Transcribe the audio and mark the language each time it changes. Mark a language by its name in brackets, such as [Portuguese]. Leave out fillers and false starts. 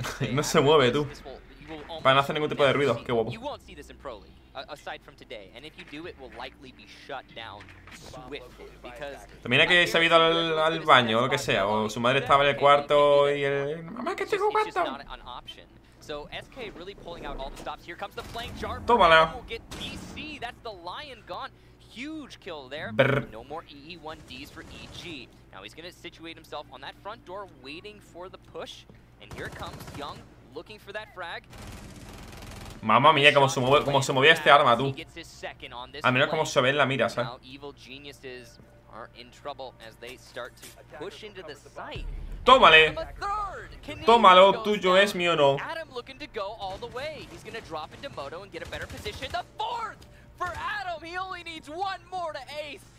[Spanish] No se mueve, tú. Para no hacer ningún tipo de ruido, qué guapo. [English] Aside from today, and if you do, it will likely be shut down swiftly because. [Spanish] También que se ha ido al baño, lo que sea, o su madre estaba en el cuarto y el. Mamá, que tengo cuarto. [English] So SK really pulling out all the stops. Here comes the flank jar. [Spanish] Tómala. [English] Get DC. That's the lion gone. Huge kill there. Brr. No more EE1Ds for EG. Now he's gonna situate himself on that front door, waiting for the push. And here comes Young, looking for that frag. [Spanish] Mamma mía, cómo se movía este arma, tú. A menos cómo se ve en la mira, ¿sabes? [English] Evil geniuses are in trouble as they start to push into the site. [Spanish] Tómale. Tómalo, tuyo es mío, ¿no? [English] Adam looking to go all the way. He's gonna drop into Moto and get a better position. The fourth for Adam. He only needs one more to ace.